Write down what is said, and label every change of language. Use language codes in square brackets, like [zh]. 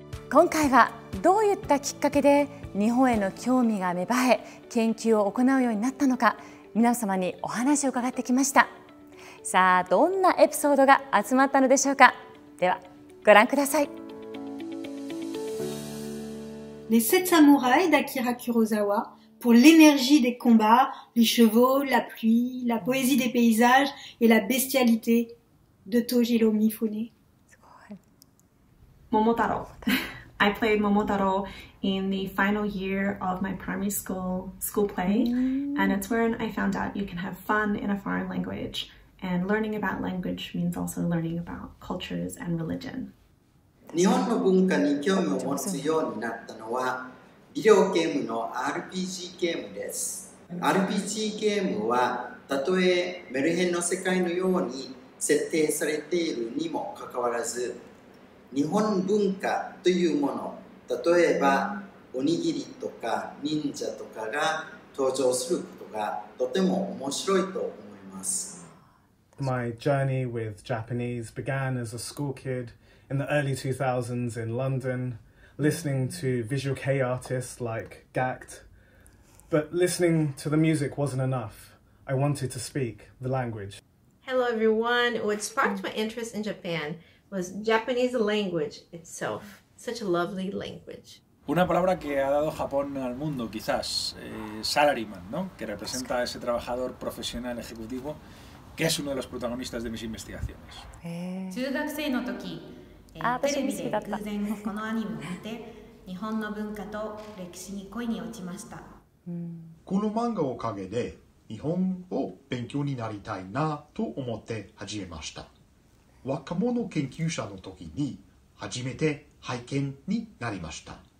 [ja] 今回はどういったきっかけで日本への興味が芽生え研究を行うようになったのか、皆様にお話を伺ってきました。さあ、どんなエピソードが集まったのでしょうか。ではご覧ください。 [fr] Les sept samouraïs d'Akira Kurosawa pour l'énergie des combats, les chevaux, la pluie, la poésie des paysages et la bestialité de Tojiro Mifune. [en] Momotaro. I played Momotaro in the final year of my primary school play, and it's when I found out you can have fun in a foreign language, and learning about language means also learning about cultures and religion. [ja] 日本の文化に興味を持つようになったのはビデオゲームの RPG ゲームです。 RPG ゲームはたとえメルヘンの世界のように設定されているにもかかわらず、日本文化というもの、例えばおにぎりとか忍者とかが登場することがとても面白いと思います。 [en] My journey with Japanese began as a school kidIn the early 2000s in London, listening to Visual K artists like Gackt. But listening to the music wasn't enough. I wanted to speak the language. Hello everyone. What sparked my interest in Japan was Japanese language itself. Such a lovely language. [es] Una palabra que ha dado Japón al mundo, quizás, salaryman, ¿no? Que representa a ese trabajador profesional ejecutivo que es uno de los protagonistas de mis investigaciones. [ja] 中学生の時テレビで偶然このアニメを見て、日本の文化と歴史に恋に落ちました。この漫画をおかげで日本を勉強になりたいなと思って始めました。若者研究者の時に初めて拝見になりました。